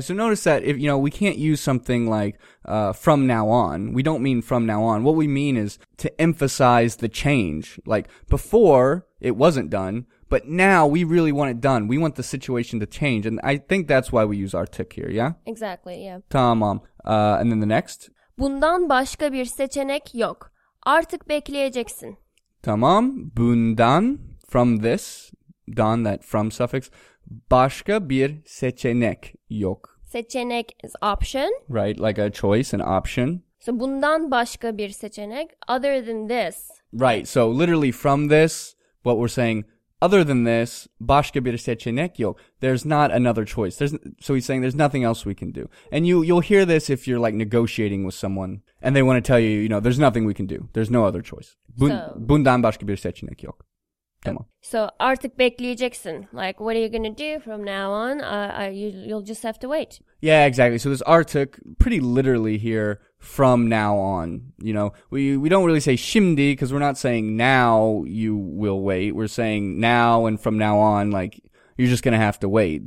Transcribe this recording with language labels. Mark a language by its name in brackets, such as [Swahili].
[English] So notice that if, you know, we can't use something like from now on. We don't mean from now on. What we mean is to emphasize the change. Like, before it wasn't done, but now we really want it done. We want the situation to change. And I think that's why we use artık here, yeah? Exactly, yeah. Tamam. And then the next. [Turkish] Bundan başka bir seçenek yok. Artık bekleyeceksin. [English] Tamam. Bundan, from this. don that from suffix. [Turkish] Başka bir seçenek yok. [English] Seçenek is option. Right, like a choice, an option. So [Turkish] bundan başka bir seçenek, [English] other than this. Right, so literally from this, what we're saying, other than this, [Turkish] başka bir seçenek yok. [English] There's not another choice. So he's saying there's nothing else we can do. And you'll hear this if you're like negotiating with someone and they want to tell you, you know, there's nothing we can do. There's no other choice. [Turkish] Bundan başka bir seçenek yok. Tamam. [English] So [Turkish] artık bekleyeceksin. [English] Like, what are you going to do from now on? You'll just have to wait. Yeah, exactly. So this artık, pretty literally here, from now on. You know, we don't really say şimdi because we're not saying now you will wait. We're saying now and from now on, like, you're just going to have to wait.